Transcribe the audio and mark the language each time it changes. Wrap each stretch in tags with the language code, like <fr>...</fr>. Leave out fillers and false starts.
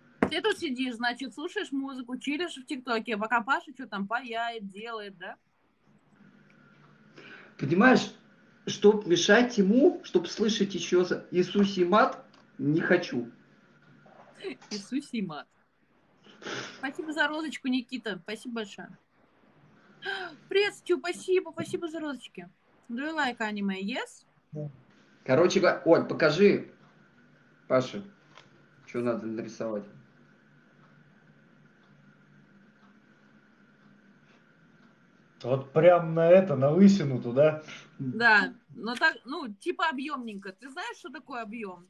<ru>Ты тут сидишь, значит, слушаешь музыку, чилишь в ТикТоке, пока Паша что там паяет, делает, да? Понимаешь, чтоб мешать ему, чтоб слышать еще Иисус и мат, не хочу. Иисус и мат. Спасибо за розочку, Никита. Спасибо большое. Приветствую, спасибо за розочки.</ru> <en>Do you like anime? Yes?</en> <ru>Короче, Оль, покажи, Паша, что надо нарисовать. Вот прям на это, на лысину туда. Да, но так, ну, типа объемненько. Ты знаешь, что такое объем?</ru>